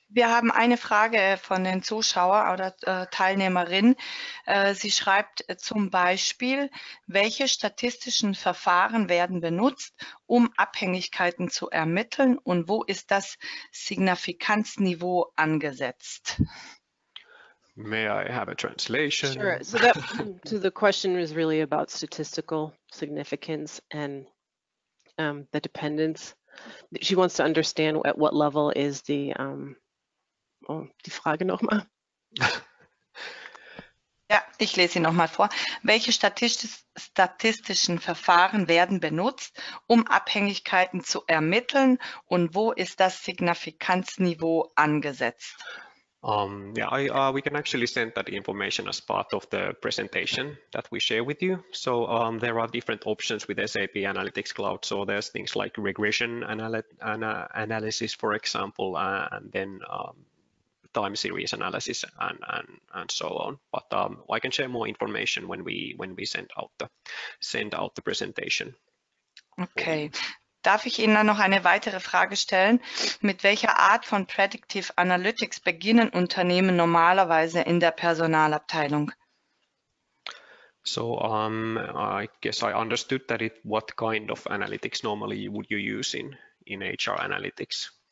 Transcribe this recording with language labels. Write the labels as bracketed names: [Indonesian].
[German] Wir haben eine Frage von den Zuschauer oder Teilnehmerin. Sie schreibt zum Beispiel, welche statistischen Verfahren werden benutzt, um Abhängigkeiten zu ermitteln, und wo ist das Signifikanzniveau angesetzt? [English] May I have a translation? Sure. So that to the question is really about statistical significance and the dependence. She wants to understand at what level is the [German] die Frage nochmal. Ja, ich lese sie nochmal vor. Welche statistischen Verfahren werden benutzt, um Abhängigkeiten zu ermitteln, und wo ist das Signifikanzniveau angesetzt? [English] We can actually send that information as part of the presentation that we share with you. So there are different options with SAP Analytics Cloud. So there's things like regression analysis, for example, and then time series analysis and so on. But I can share more information when we send out the presentation. Okay. [German] Darf ich Ihnen dann noch eine weitere Frage stellen? Mit welcher Art von Predictive Analytics beginnen Unternehmen normalerweise in der Personalabteilung? [English] So, I guess I understood that it, what kind of analytics normally would you use in HR analytics?